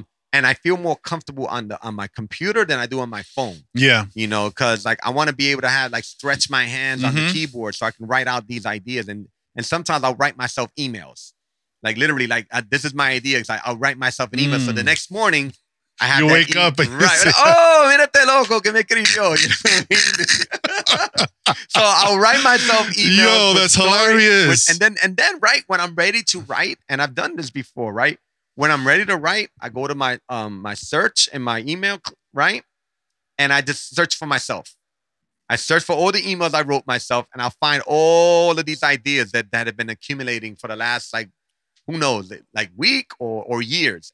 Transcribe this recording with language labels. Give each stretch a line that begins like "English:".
English: And I feel more comfortable on my computer than I do on my phone. Yeah. You know, because like I want to be able to have like stretch my hands on the keyboard so I can write out these ideas. And sometimes I'll write myself emails. Like literally, like this is my idea. Like, I'll write myself an email. So the next morning, I have to wake up and write. Say,
Spanish: oh, mírate loco que me escribió.
English: You know So I'll write myself emails. Yo, that's hilarious. And then write when I'm ready to write. And I've done this before, right? When I'm ready to write, I go to my my search and my email, right? And I just search for myself. I search for all the emails I wrote myself, and I'll find all of these ideas that have been accumulating for the last, like, who knows, like week or years.